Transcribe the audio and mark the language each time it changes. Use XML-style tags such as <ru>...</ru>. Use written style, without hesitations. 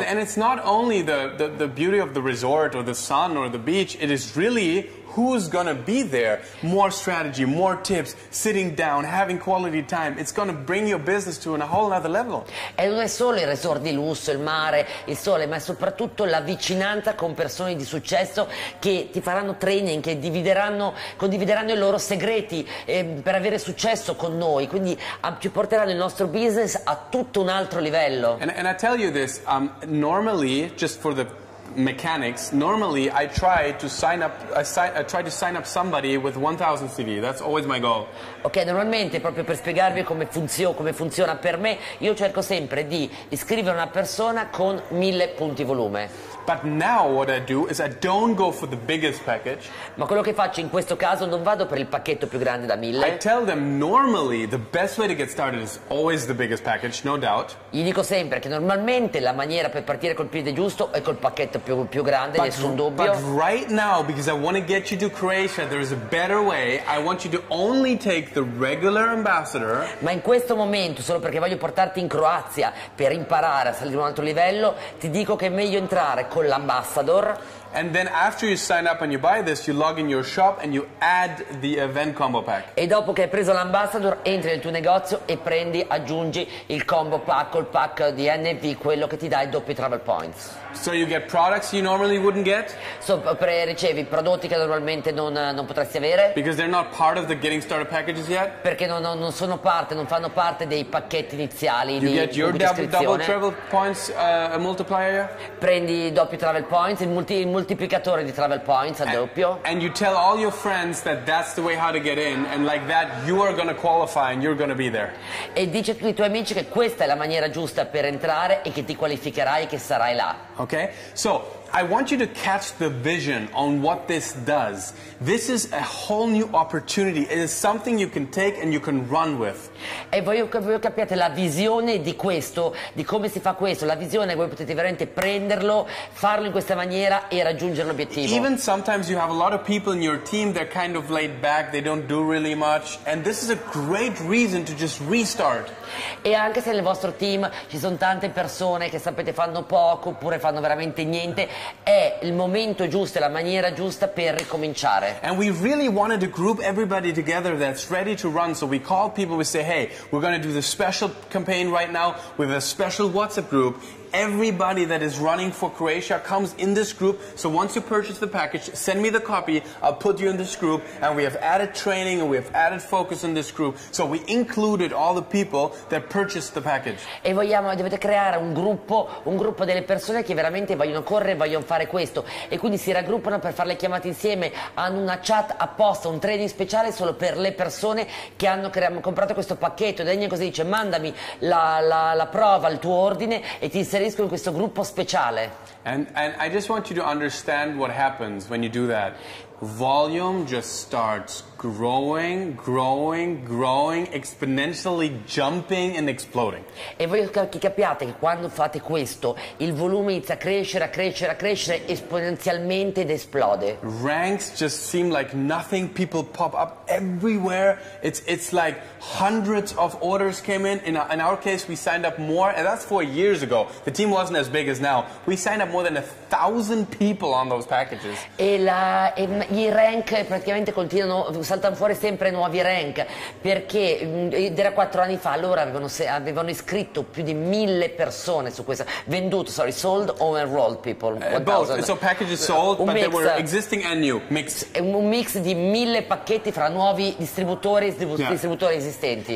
<en>And it's not only the beauty of the resort or the sun or the beach, it is really who's gonna be there. More strategy, more tips, sitting down, having quality time, it's gonna bring your business to a whole other level.</en> <it>E non è solo il resort di lusso, il mare, il sole, ma è soprattutto la vicinanza con persone di successo che ti faranno training, che condivideranno i loro segreti per avere successo con noi, quindi ci porteranno il nostro business a tutto un altro livello.</it> <en>And I tell you this, normally, just for the mechanics, normally I try to sign up somebody with 1000 CV. That's always my goal.</en> <it>Ok, normalmente proprio per spiegarvi come funziona per me, io cerco sempre di iscrivere una persona con 1000 punti volume.</it> <en>But now what I do is I don't go for the biggest package.</en> <it>Ma quello che faccio in questo caso non vado per il pacchetto più grande da 1000.</it> <en>I tell them normally the best way to get started is always the biggest package, no doubt.</en> <it>Gli dico sempre che normalmente la maniera per partire col piede giusto è col pacchetto più grande, nessun dubbio.</it> <en>But right now, because I want to get you to Croatia, there is a better way. I want you to only take the regular ambassador.</en> <it>Ma in questo momento, solo perché voglio portarti in Croazia per imparare a salire un altro livello, ti dico che è meglio entrare con l'ambassador.</it> <en>And then after you sign up and you buy this, you log in your shop and you add the event combo pack.</en> <it>E dopo che hai preso l'ambassador, entri nel tuo negozio e aggiungi il combo pack, col pack di NV, quello che ti dà i doppi travel points.</it> <en>So you get products you normally wouldn't get?</en> <it>So ricevi prodotti che normalmente non potresti avere.</it> <en>Because they're not part of the getting started packages yet?</en> <it>Perché non fanno parte dei pacchetti iniziali.</it> <en>You get your double travel points multiplier?</en> <it>Prendi doppi travel points, moltiplicatore di travel points a doppio.</it> <en>And you tell all your friends that that's the way how to get in, and like that you are going to qualify and you're going to be there.</en> <it>E dici a tutti i tuoi amici che questa è la maniera giusta per entrare e che ti qualificherai e che sarai là.</it> <en>Okay? So I want you to catch the vision on what this does. This is a whole new opportunity. It is something you can take and you can run with.</en> <it>E voglio capire la visione di questo, di come si fa questo. La visione, voi potete veramente prenderlo, farlo in questa maniera e raggiungere l'obiettivo.</it> <en>Even sometimes you have a lot of people in your team, they're kind of laid back, they don't do really much, and this is a great reason to just restart.</en> <it>E anche se nel vostro team ci sono tante persone che sapete fanno poco oppure fanno veramente niente, è il momento giusto, è la maniera giusta per ricominciare.</it> <en>And we really wanted to group everybody together that's ready to run, so we call people, we say, hey, we're going to do this special campaign right now with a special WhatsApp group. Everybody that is running for Croatia comes in this group, so once you purchase the package, send me the copy, I'll put you in this group, and we have added training and we have added focus in this group, so we included all the people that purchased the package.</en> <it>E vogliamo, dovete creare un gruppo delle persone che veramente vogliono correre, vogliono fare questo, e quindi si raggruppano per fare le chiamate insieme, hanno una chat apposta, un training speciale solo per le persone che hanno comprato questo pacchetto. Daniel così dice, mandami la prova, il tuo ordine, e ti inserisco in questo gruppo speciale.</it> <en>And I just want you to understand what happens when you do that. Volume just starts growing, growing, growing, exponentially jumping and exploding.</en> <it>E voglio che capiate che quando fate questo, il volume inizia a crescere esponenzialmente ed esplode.</it> <en>Ranks just seem like nothing. People pop up everywhere. It's like hundreds of orders came in. In our case, we signed up more, and that's 4 years ago. The team wasn't as big as now. We signed up more than 1,000 people on those packages.</en> <it>I rank praticamente continuano, saltano fuori sempre nuovi rank, perché era 4 anni fa, allora avevano iscritto più di 1,000 persone su questo, venduto,</it> <en>sorry, sold or enrolled people. Both, so packages sold, but mix. They were existing and new, mixed.</en> <it>Un mix di 1,000 pacchetti fra nuovi distributori e distributori esistenti.</it>